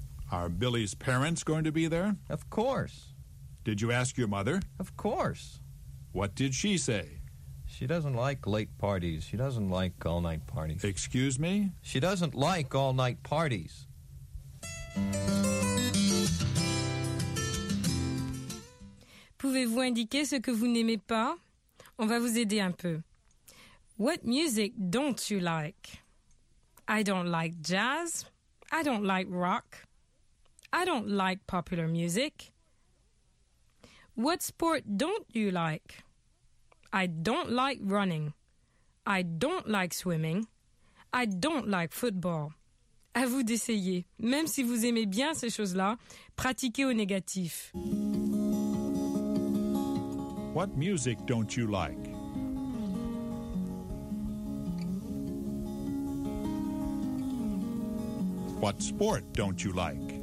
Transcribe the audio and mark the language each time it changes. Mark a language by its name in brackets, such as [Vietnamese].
[English] Are Billy's parents going to be there? Of course. Did you ask your mother? Of course. What did she say? She doesn't like late parties. She doesn't like all-night parties. Excuse me? She doesn't like all-night parties. [French] Pouvez-vous indiquer ce que vous n'aimez pas? On va vous aider un peu. [English] What music don't you like? I don't like jazz. I don't like rock. I don't like popular music. What sport don't you like? I don't like running. I don't like swimming. I don't like football. [French] À vous d'essayer. Même si vous aimez bien ces choses-là, pratiquez au négatif. [English] What music don't you like? What sport don't you like?